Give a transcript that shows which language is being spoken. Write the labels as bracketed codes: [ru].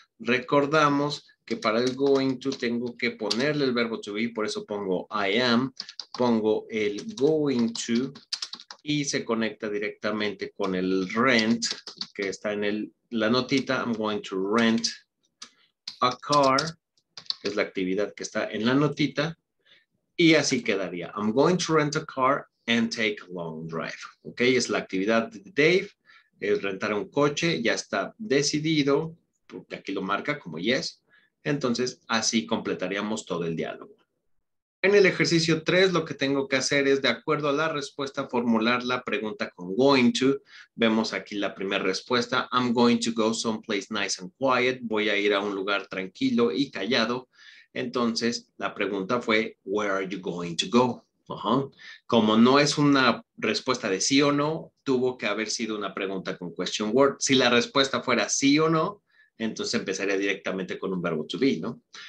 [es] Recordamos que para el going to tengo que ponerle el verbo to be, por eso pongo I am, pongo el going to y se conecta directamente con el rent que está en la notita. [en] I'm going to rent a car, [es] es la actividad que está en la notita y así quedaría. [en] I'm going to rent a car and take a long drive. [es] Ok, es la actividad de Dave, es rentar un coche, ya está decidido. Porque aquí lo marca como yes. Entonces, así completaríamos todo el diálogo. En el ejercicio 3, lo que tengo que hacer es, de acuerdo a la respuesta, formular la pregunta con going to. Vemos aquí la primera respuesta. [en] I'm going to go someplace nice and quiet. [es] Voy a ir a un lugar tranquilo y callado. Entonces, la pregunta fue, [en] where are you going to go? [es] Uh-huh. Como no es una respuesta de sí o no, tuvo que haber sido una pregunta con question word. Si la respuesta fuera sí o no, entonces empezaría directamente con un verbo to be, ¿no?